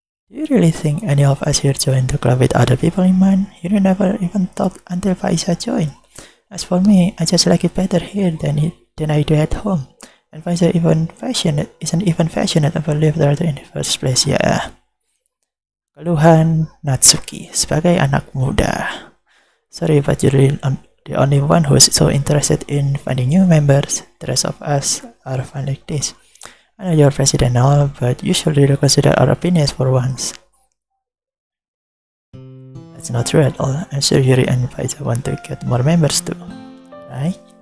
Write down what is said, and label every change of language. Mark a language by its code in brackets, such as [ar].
[en] Do you really think any of us here joined the club with other people in mind? You don't ever even talk until Faiza joined. As for me, I just like it better here than I do at home. And Faiza isn't even passionate about living there in the first place, ya. Yeah. [id] Keluhan Natsuki sebagai anak muda. [en] Sorry, but you're the only one who's so interested in finding new members. The rest of us are fine like this. I know you're president now, but you should really consider our opinions for once. That's not true at all. I'm sure Yuri and Faiza want to get more members too, right?